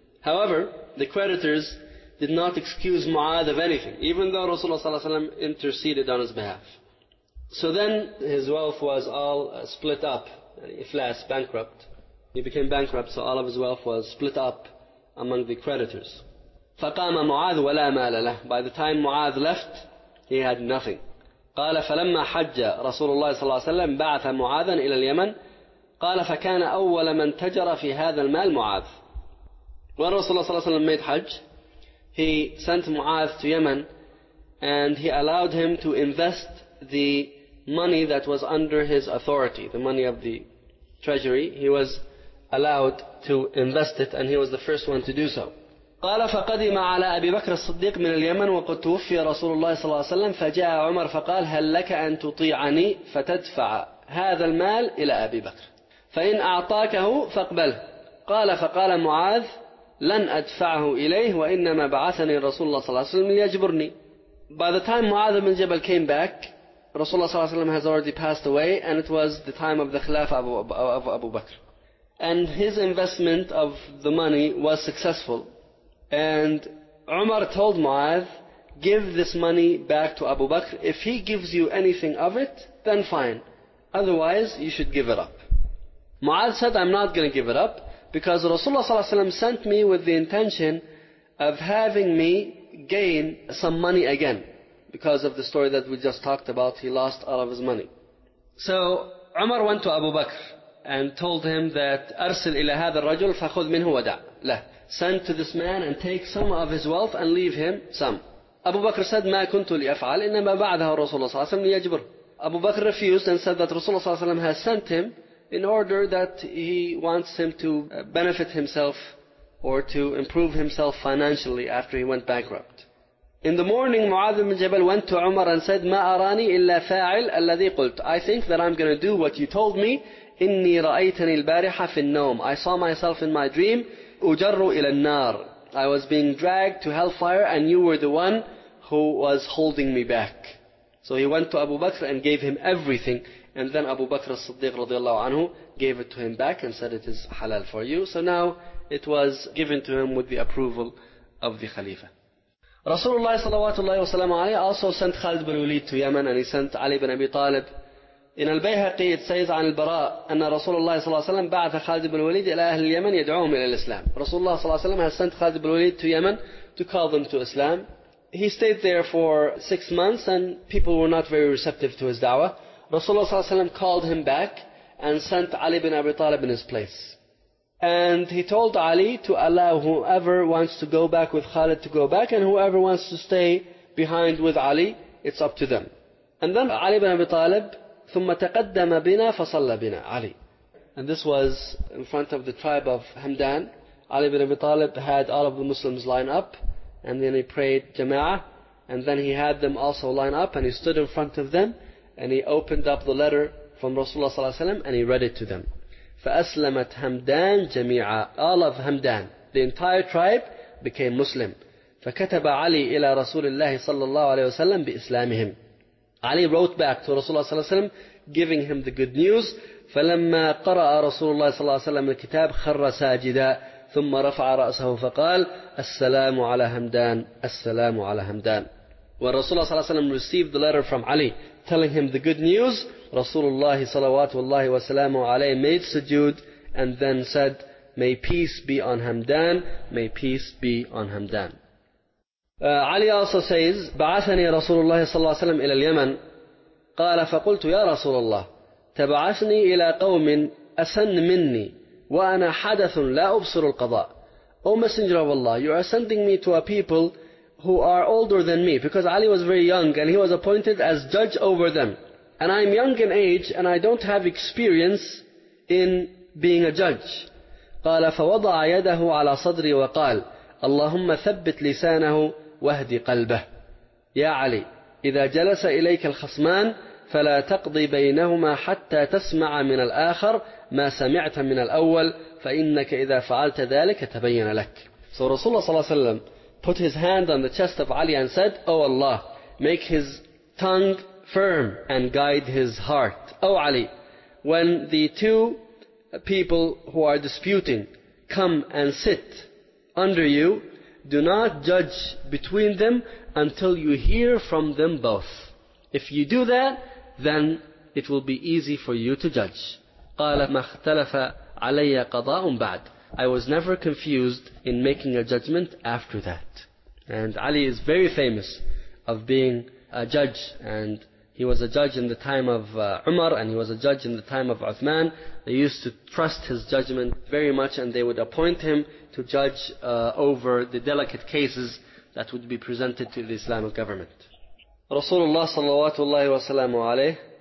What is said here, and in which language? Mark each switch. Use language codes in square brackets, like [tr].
[en] However, the creditors did not excuse Mu'adh of anything, even though Rasulullah ﷺ interceded on his behalf. So then his wealth was all split up, iflas, bankrupt. He became bankrupt, so all of his wealth was split up among the creditors. [ar] فقام معاذ ولا مال له. [en] By the time Mu'adh left, he had nothing. [ar] قال فلما حج رسول الله صلى الله عليه وسلم بعث معاذا إلى اليمن. قال فكان أول من تجر في هذا المال معاذ. [en] When Rasulullah صلى الله عليه وسلم made Hajj, he sent Mu'adh to Yemen, and he allowed him to invest the money that was under his authority, the money of the treasury, he was allowed to invest it, and he was the first one to do so. [ar] قال فقدم على أبي بكر الصديق من اليمن وقد توفي رسول الله صلى الله عليه وسلم فجاء عمر فقال هل لك أن تطيعني فتدفع هذا المال إلى أبي بكر فإن أعطاكه فاقبله قال فقال معاذ لن أدفعه إليه وإنما بعثني رسول الله صلى الله عليه وسلم ليجبرني. [en] By the time Mu'adh ibn Jabal came back, Rasulullah صلى الله عليه وسلم has already passed away, and it was the time of the Khilafah of Abu Bakr. And his investment of the money was successful. And Umar told Mu'adh, give this money back to Abu Bakr. If he gives you anything of it, then fine. Otherwise, you should give it up. Mu'adh said, I'm not going to give it up, because Rasulullah صلى الله عليه وسلم sent me with the intention of having me gain some money again. Because of the story that we just talked about, he lost all of his money. So Umar went to Abu Bakr and told him that [ar] أرسل إلى هذا الرجل فخذ منه ودع له. [en] Send to this man and take some of his wealth and leave him some. Abu Bakr said, [ar] ما كنت لأفعل إنما بعدها رسول الله صلى الله عليه وسلم ليجبر. [en] Abu Bakr refused and said that Rasulullah صلى الله عليه وسلم has sent him in order that he wants him to benefit himself or to improve himself financially after he went bankrupt. In the morning, Mu'adh ibn Jabal went to Umar and said, [ar] ما أراني إلا فاعل الذي قلت. [en] I think that I'm going to do what you told me. [ar] إني رأيتني البارحة في النوم. [en] I saw myself in my dream. [ar] أجر إلى النار. [en] I was being dragged to hellfire and you were the one who was holding me back. So he went to Abu Bakr and gave him everything. And then Abu Bakr as-Siddiq radiallahu anhu gave it to him back and said, it is halal for you. So now it was given to him with the approval of the Khalifa. Rasulullah sallallahu alayhi wa sallam also sent Khalid ibn Walid to Yemen, and he sent Ali ibn Abi Talib. In al-Bayhaqi it says [ar] عن البراء أن رسول الله صلى الله عليه وسلم بعث خالد بن الوليد إلى أهل اليمن يدعوهم إلى الإسلام. [en] Rasulullah صلى الله عليه وسلم has sent خالد بن الوليد to Yemen to call them to Islam. He stayed there for 6 months and people were not very receptive to his da'wah. Rasulullah صلى الله عليه وسلم called him back and sent Ali ibn Abi Talib in his place. And he told Ali to allow whoever wants to go back with Khalid to go back, and whoever wants to stay behind with Ali, it's up to them. And then Ali ibn Abi Talib, [ar] ثم تقدم بنا فصلى بنا علي. [en] And this was in front of the tribe of Hamdan. Ali ibn Abi Talib had all of the Muslims line up, and then he prayed jama'ah, and then he had them also line up, and he stood in front of them, and he opened up the letter from Rasulullah صلى الله عليه وسلم, and he read it to them. [ar] فأسلمت همدان جميعا. [en] All of Hamdan, the entire tribe, became Muslim. [ar] فكتب علي إلى رسول الله صلى الله عليه وسلم بإسلامهم. [en] Ali wrote back to Rasulullah صلى الله عليه وسلم, giving him the good news. [ar] فلما قرأ رسول الله صلى الله عليه وسلم الكتاب خر ساجدا ثم رفع رأسه فقال السلام على همدان السلام على همدان. [en] When Rasulullah صلى الله عليه وسلم received the letter from Ali telling him the good news, Rasulullah صلوات الله وسلامه عليه made sujood and then said, may peace be on Hamdan, may peace be on Hamdan. Ali also says, [ar] بعثني رسول الله صلى الله عليه وسلم إلى اليمن قال فقلت يا رسول الله تبعثني إلى قوم أسن مني وأنا حدث لا أبصر القضاء. [en] O Messenger of Allah, you are sending me to a people who are older than me, because Ali was very young and he was appointed as judge over them. And I am young in age and I don't have experience in being a judge. [ar] قال فوضع يده على صدري وقال اللهم ثبت لسانه واهدي قلبه. يا علي إذا جلس إليك الخصمان فلا تقضي بينهما حتى تسمع من الآخر ما سمعت من الأول فإنك إذا فعلت ذلك تبين لك. [en] So Rasulullah صلى الله عليه وسلم put his hand on the chest of Ali and said, O Allah, make his tongue firm and guide his heart. O Ali, when the two people who are disputing come and sit under you, do not judge between them until you hear from them both. If you do that, then it will be easy for you to judge. [ar] قال ما اختلف علي قضاء بعد. [en] I was never confused in making a judgment after that. And Ali is very famous of being a judge, and he was a judge in the time of Umar, and he was a judge in the time of Uthman. They used to trust his judgment very much, and they would appoint him to judge over the delicate cases that would be presented to the Islamic government. Rasulullah sallallahu alayhi wa sallam